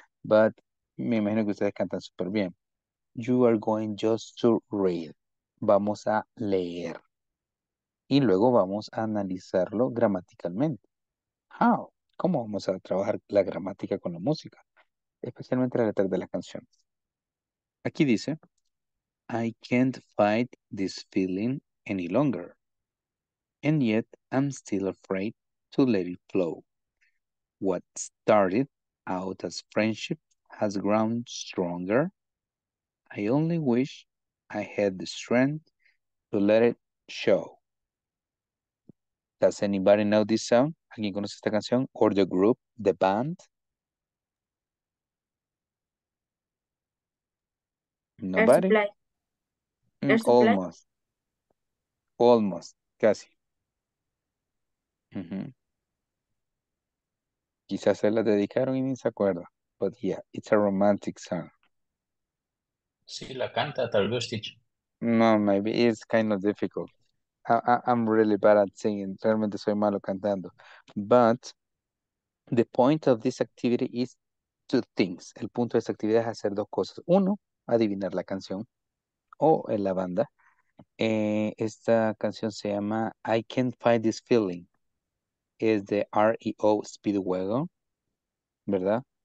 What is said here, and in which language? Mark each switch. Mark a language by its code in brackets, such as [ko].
[en] But [es] me imagino que ustedes cantan súper bien. [en] You are going just to read. [es] Vamos a leer. Y luego vamos a analizarlo gramaticalmente. How? ¿Cómo vamos a trabajar la gramática con la música? Especialmente la letra de las canciones. Aquí dice, [en] I can't fight this feeling any longer. And yet, I'm still afraid to let it flow. What started out as friendship has grown stronger. I only wish I had the strength to let it show. Does anybody know this song? [es] ¿Alguien conoce esta canción? [en] Or the group, the band? Nobody? Almost. Almost. Casi. [es] Mm-hmm. Quizás se la dedicaron y ni se acuerda. [en] but yeah, it's a romantic song. [es] Sí, la canta tal vez, teacher. [en] No, maybe it's kind of difficult. I'm really bad at singing. [es] Realmente soy malo cantando. [en] But the point of this activity is two things. [es] El punto de esta actividad es hacer dos cosas. Uno, adivinar la canción o en la banda. Esta canción se llama I Can't Fight This Feeling. Es de R.E.O. Speedwagon, ¿verdad?